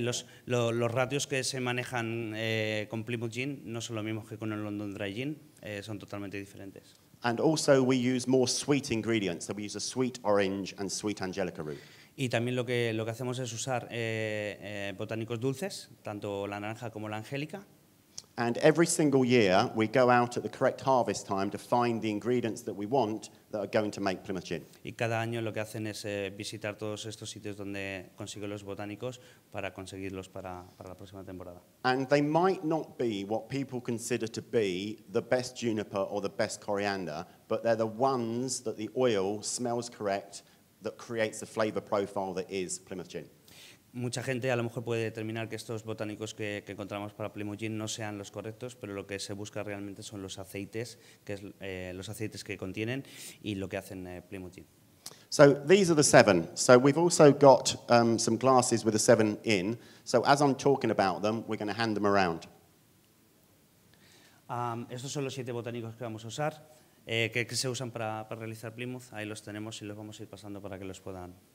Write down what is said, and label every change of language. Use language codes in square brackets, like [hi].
[es] Los ratios que se manejan con Plymouth Gin no son los mismos que con el London Dry Gin. Son totalmente diferentes. [en] And also, we use more sweet ingredients. So we use a sweet orange and sweet angelica root. [es] Y también lo que hacemos es usar botánicos dulces, tanto la naranja como la angélica. [en] And every single year, we go out at the correct harvest time to find the ingredients that we want that are going to make Plymouth Gin. [es] Y cada año lo que hacen es visitar todos estos sitios donde consigo los botánicos para conseguirlos para la próxima temporada. [en] And they might not be what people consider to be the best juniper or the best coriander, but they're the ones that the oil smells correct that creates the flavor profile that is Plymouth Gin. [es] Mucha gente a lo mejor puede determinar que estos botánicos que encontramos para Plymouth Gin no sean los correctos, pero lo que se busca realmente son los aceites, que es los aceites que contienen y lo que hacen Plymouth Gin. [en] So these are the seven. So we've also got some glasses with the seven in. So as I'm talking about them, we're going to hand them around. [es] Estos son los siete botánicos que vamos a usar, que se usan para realizar Plymouth. Ahí los tenemos y los vamos a ir pasando para que los puedan.